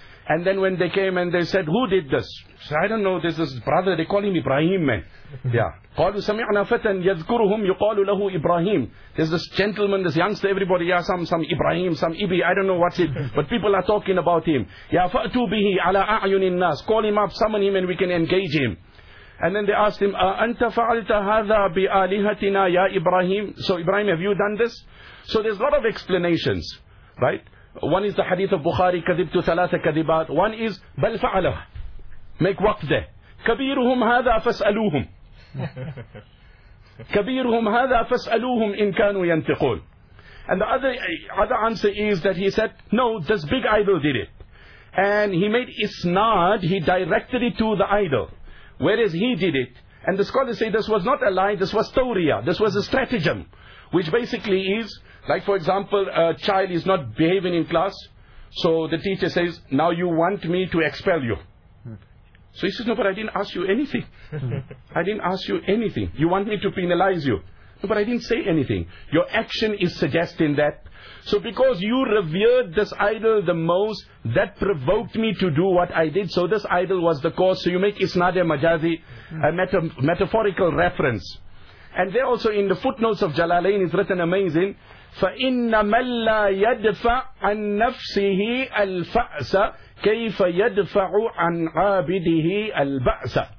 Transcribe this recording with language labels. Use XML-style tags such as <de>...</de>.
<en>And then when they came and they said, who did this? He said, I don't know, this is brother, they call him Ibrahim, man.</en> <ar>Yeah. قَالُوا سَمِعْنَا فَتًا يَذْكُرُهُمْ يُقَالُ لَهُ إِبْرَاهِيمُ.</ar> <en>There's this gentleman, this youngster, everybody, yeah, some Ibrahim, some Ibi, I don't know what's it, but people are talking about him.</en> <ar>يَا فَأْتُوا بِهِ عَلَىٰ أَعْيُنِ النَّاسِ.</ar> <en>Call him up, summon him and we can engage him. And then they asked him,</en> <ar>أَنْتَ فَعَلْتَ هَذَا بِآلِهَتِنَا يَا إِبْرَاهِيمُ.</ar> <en>So Ibrahim, have you done this? So there's a lot of explanations, right? One is the hadith of Bukhari,</en> <ar>كَذِبْتُ ثَلَاثَ كَذِبَاتِ.</ar> <en>One is,</en> <ar>بَلْ فَعَلَهُ.</ar> <en>Make waqdah.</en> <ar>كَبِيرُهُمْ هَذَا فَاسْأَلُوهُمْ. كَبِيرُهُمْ هَذَا فَاسْأَلُوهُمْ إِن كَانُوا يَنْتِقُونَ.</ar> <en>And the other answer is that he said, no, this big idol did it. And he made isnad, he directed it to the idol. Whereas he did it. And the scholars say this was not a lie, this was tawriya, this was a stratagem. Which basically is, like for example, a child is not behaving in class, so the teacher says, now you want me to expel you. So he says, no, but I didn't ask you anything. I didn't ask you anything. You want me to penalize you. No, but I didn't say anything. Your action is suggesting that. So because you revered this idol the most, that provoked me to do what I did. So this idol was the cause. So you make isnad majazi, a metaphorical reference. And there also in the footnotes of Jalalain is written amazing,</en> <ar>فَإِنَّ مَنْ لَا يَدْفَعْ عَنْ نَفْسِهِ الْفَأْسَ كَيْفَ يَدْفَعُ عَنْ عَابِدِهِ الْبَأْسَ.</ar>